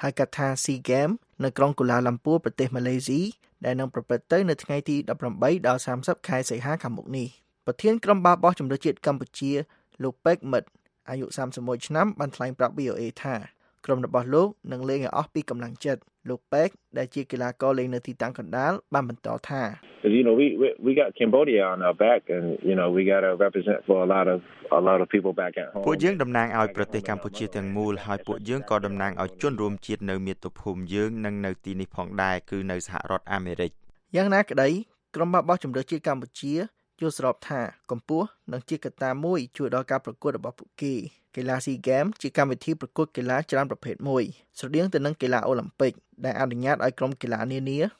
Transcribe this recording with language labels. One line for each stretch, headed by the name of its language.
Khmer: ហើយកថា SEA Game នៅក្រុងកូឡាឡាំពួរប្រទេសម៉ាឡេស៊ីដែលនឹងប្រព្រឹត្តទៅនៅថ្ងៃទី18ដល់30ខែសីហាខាងមុខនេះប្រធានក្រុមបាល់បោះជម្រើសជាតិកម្ពុជាលោកប៉ិកមិតអាយុ31ឆ្នាំបានថ្លែងប្រាប់ VOA ថាក្រុមរបស់លោកនឹងលេងឲ្យអស់ពីកម្លាំងចិត្តលោកប៉ិកដែលជាកីឡាករលេងនៅទីតាំងកណ្ដាលបានបន្តថា
English: You know we got Cambodia on our back and you know we got to represent for a lot of people back at home
Khmer: ពួកយើងតំណាងឲ្យប្រទេសកម្ពុជាទាំងមូលហើយពួកយើងក៏តំណាងឲ្យជនរួមជាតិនៅមាតុភូមិយើងនិងនៅទីនេះផងដែរគឺនៅសហរដ្ឋអាមេរិក យ៉ាងណាក្ដីក្រុមបាល់បោះជម្រើសជាតិកម្ពុជាយល់ស្របថាកម្ពុជានឹងជាកត្តាមួយជួយដល់ការប្រកួតរបស់ពួកគេកីឡាស៊ីហ្គេមជាកម្មវិធីប្រកួតកីឡាច្រើនប្រភេទមួយស្រដៀងទៅនឹងកីឡាអូឡាំពិកដែលអនុញ្ញាតឲ្យក្រុមកីឡានានា